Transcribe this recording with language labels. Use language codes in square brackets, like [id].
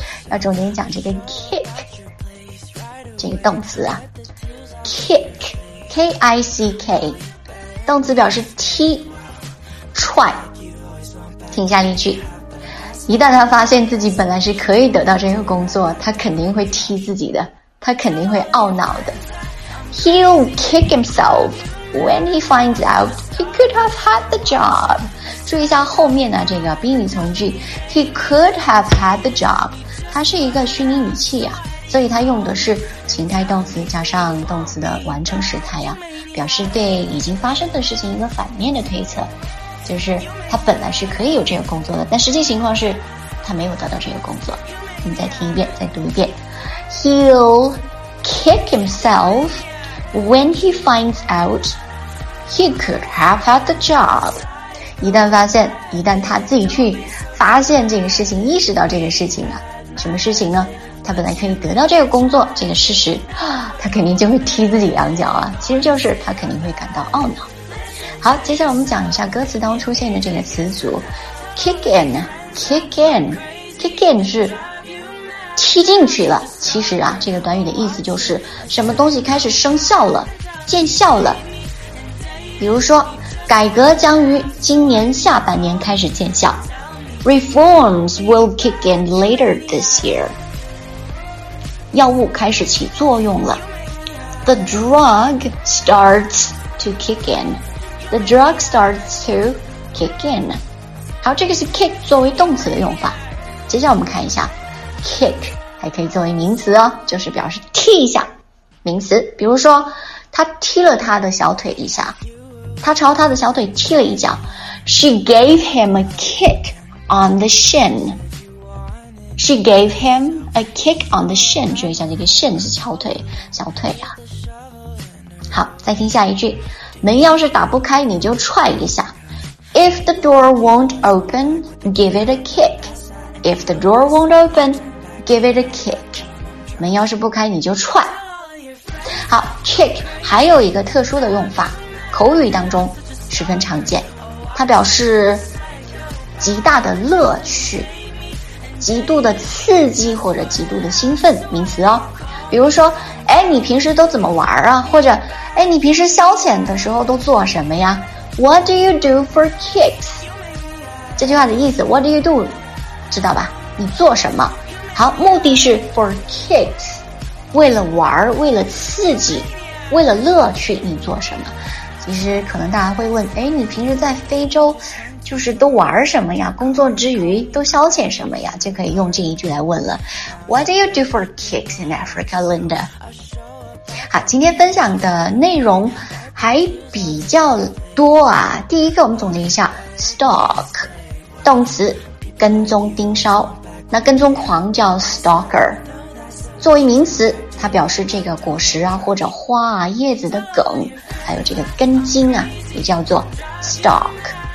[zh] 要重点讲这个 kick， 这个动词啊， kick， K-I-C-K， 动词表示踢、踹。听一下例句：一旦他发现自己本来是可以得到这个工作，他肯定会踢自己的，他肯定会懊恼的。 [en] He'll kick himself when he finds out he could have had the job。 [zh] 注意一下后面的这个宾语从句 [en] He could have had the job， [zh] 它是一个虚拟语气啊，所以它用的是情态动词加上动词的完成时态啊，表示对已经发生的事情一个反面的推测，就是他本来是可以有这个工作的，但实际情况是他没有得到这个工作。你再听一遍，再读一遍。 [en] He'll kick himself when he finds out he could have had the job。 [zh] 一旦他自己去发现这个事情，意识到这个事情啊，什么事情呢？他本来可以得到这个工作，这个事实，他肯定就会踢自己两脚啊。其实就是他肯定会感到懊恼。好，接下来我们讲一下歌词当中出现的这个词组 ，kick in 是踢进去了。其实啊，这个短语的意思就是什么东西开始生效了，见效了。比如说，改革将于今年下半年开始见效。 [en] Reforms will kick in later this year. [zh] 药物开始起作用了。 [en] The drug starts to kick in. The drug starts to kick in. [zh] 好，这个是 kick 作为动词的用法。接下来我们看一下 kick 还可以作为名词哦，就是表示踢一下，名词。比如说他踢了他的小腿一下，他朝他的小腿踢了一脚。 [en] She gave him a kick on the shin. She gave him a kick on the shin. [zh] 注意一下，这个 shin 是小腿，小腿啊。好，再听下一句，门要是打不开你就踹一下。 [en] If the door won't open, give it a kick. If the door won't open, give it a kick. [zh] 门要是不开你就踹。好， kick 还有一个特殊的用法，口语当中十分常见，它表示极大的乐趣，极度的刺激或者极度的兴奋，名词哦。比如说，哎，你平时都怎么玩啊？或者，哎，你平时消遣的时候都做什么呀？ [en] What do you do for kicks? [zh] 这句话的意思， [en] What do you do? [zh] 知道吧？你做什么？好，目的是 for kicks， 为了玩，为了刺激，为了乐趣，你做什么？其实可能大家会问，哎，你平时在非洲就是都玩什么呀？工作之余都消遣什么呀？就可以用这一句来问了。 [en] What do you do for kicks in Africa, Linda? [zh] 好，今天分享的内容还比较多啊。第一个我们总结一下 ,stalk, 动词跟踪盯梢。那跟踪狂叫 stalker。作为名词它表示这个果实啊或者花啊叶子的梗还有这个根茎啊也叫做 stalk。